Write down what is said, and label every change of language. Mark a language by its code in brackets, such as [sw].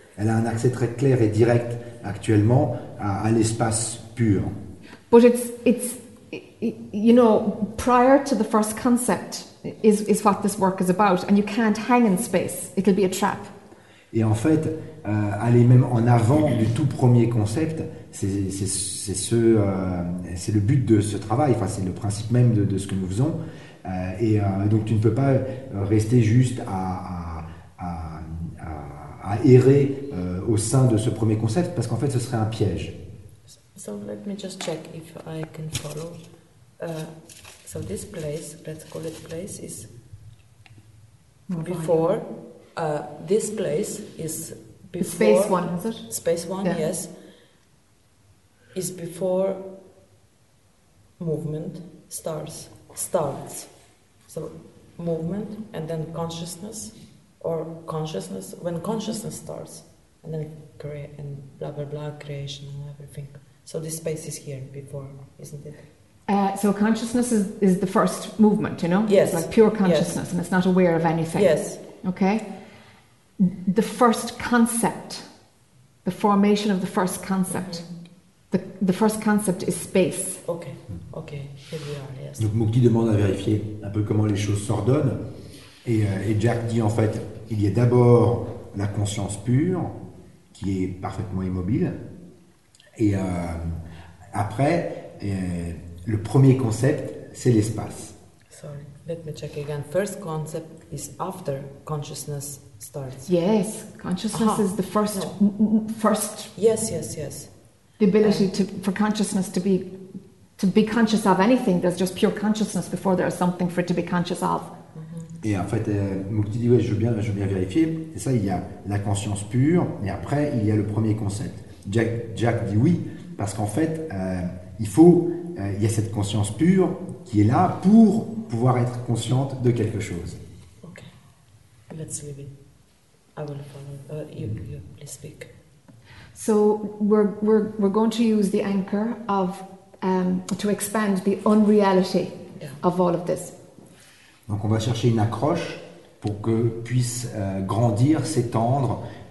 [fr] Elle a un accès très clair et direct actuellement à l'espace pur. [en] But it's you know, prior to the first concept is what this work is about, and you can't hang in space, it'll be a trap. [fr] Et en fait, aller même en avant du tout premier concept, c'est le but de ce travail, enfin c'est le principe même de ce que nous faisons. Donc tu ne peux pas rester juste à errer au sein de ce premier concept, parce qu'en fait ce serait un piège. [en] So let me just check if I can follow. So this place, let's call it place, is before. This place is before. Space one, is it? Space one, yeah. Yes. Is before movement starts. So movement and then consciousness, or consciousness, when consciousness starts, and then create and blah blah blah, creation and everything. So this space is here before, isn't it? So consciousness is the first movement, you know? Yes. It's like pure consciousness, yes. And it's not aware of anything. Yes. Okay? The first concept, the formation of the first concept, mm-hmm. the first concept is space. Okay. Okay. Here we are, yes. [fr] Donc Mukti demande à vérifier un peu comment les choses s'ordonnent. Et Jack dit en fait, il y a d'abord la conscience pure, qui est parfaitement immobile. Et après, le premier concept, c'est l'espace. [en] Sorry, let me check again. First concept is after consciousness starts. Yes, consciousness is the first... No. First. Yes. The ability for consciousness to be conscious of anything. There's just pure consciousness before there is something for it to be conscious of. [fr] Et en fait, Mukti dit, ouais, je veux bien vérifier. Et ça, il y a la conscience pure, et après, il y a le premier concept. Jack dit oui, parce qu'en fait, il y a cette conscience pure qui est là pour pouvoir être consciente de quelque chose. [en] Ok, let's leave it. I will follow. You please speak. So we're going to use the anchor of to expand the unreality of all of this. [fr] Donc on va chercher une accroche pour que puisse grandir, s'étendre.